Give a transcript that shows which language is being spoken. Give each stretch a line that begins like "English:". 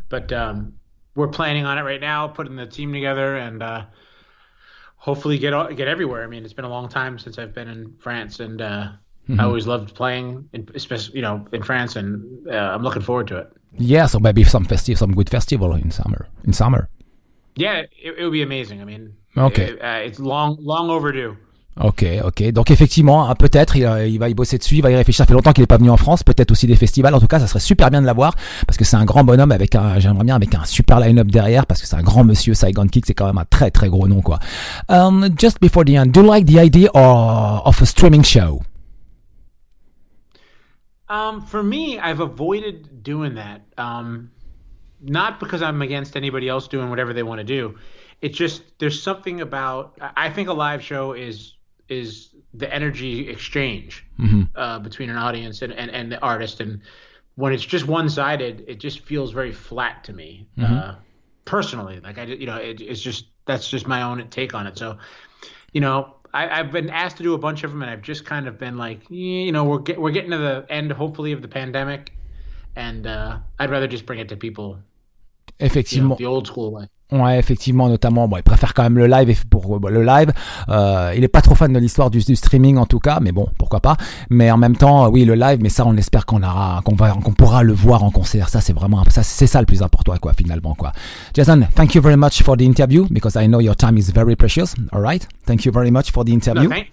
English: But we're planning on it right now, putting the team together, and hopefully get everywhere. I mean, it's been a long time since I've been in France, and mm-hmm, I always loved playing, especially, you know, in France, and I'm looking forward to it. Yeah, so maybe some good festival in summer. Yeah, it would be amazing. I mean, okay, it's long overdue. Ok.
French: Donc effectivement, hein, peut-être il va y bosser dessus, il va y réfléchir. Ça fait longtemps qu'il n'est pas venu en France. Peut-être aussi des festivals. En tout cas, ça serait super bien de l'avoir parce que c'est un grand bonhomme avec un, j'aimerais bien avec un super line-up derrière parce que c'est un grand monsieur. Saigon Kick, c'est quand même un très très gros nom quoi.
English: Just before the end, do you like the idea of a streaming show? For me, I've avoided doing that. Not because I'm against anybody else doing whatever they want to do. It's just there's something about – I think a live show is the energy exchange between an audience and the artist. And when it's just one-sided, it just feels very flat to me personally. Like, I, you know, it's just – that's just my own take on it. So, you know, I've been asked to do a bunch of them, and I've just kind of been like, you know, we're getting to the end, hopefully, of the pandemic. And I'd rather just bring it to people –
French: Effectivement.
English: You know, the old school way.
French: Ouais, effectivement, notamment, bon, il préfère quand même le live, et pour le live, il est pas trop fan de l'histoire du streaming, en tout cas, mais bon, pourquoi pas. Mais en même temps, oui, le live, mais ça, on espère qu'on pourra le voir en concert. Ça, c'est vraiment, ça, c'est ça le plus important, quoi, finalement, quoi.
English: Jason, thank you very much for the interview, because I know your time is very precious. All right. Thank you very much for the interview.